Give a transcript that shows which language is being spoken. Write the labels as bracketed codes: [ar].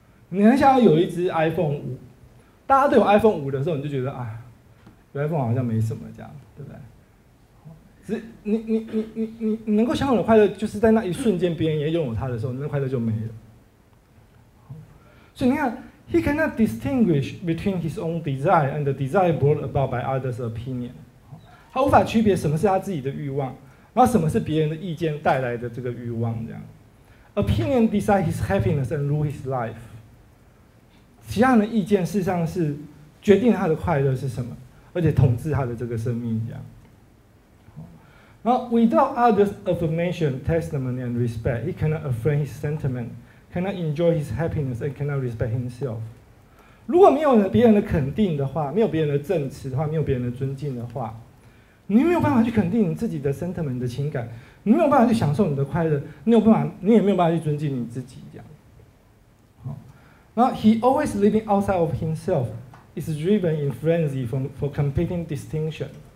[zh] 你很想要有一只 iPhone 5。大家都有 iPhone 5的时候，你就觉得啊，有 iPhone 好像没什么这样，对不对？只你能够享有的快乐，就是在那一瞬间别人也拥有它的时候，那快乐就没了。所以你看 [en] ，he cannot distinguish between his own desire and the desire brought about by others' opinion。 [zh] 他无法区别什么是他自己的欲望，然后什么是别人的意见带来的这个欲望这样。 [en] Opinion decide his happiness and rule his life。 [zh] 其他人的意见事实上是决定他的快乐是什么，而且统治他的这个生命这样。然后 [en] ，without others' affirmation, testimony, and respect, he cannot affirm his sentiment, cannot enjoy his happiness, and cannot respect himself。 [zh] 如果没有别人的肯定的话，没有别人的证词的话，没有别人的尊敬的话，你没有办法去肯定你自己的 sentiment 的情感，你没有办法去享受你的快乐，你有办法，你也没有办法去尊敬你自己这样。然后 [en] he always living outside of himself is driven in frenzy for competing distinction。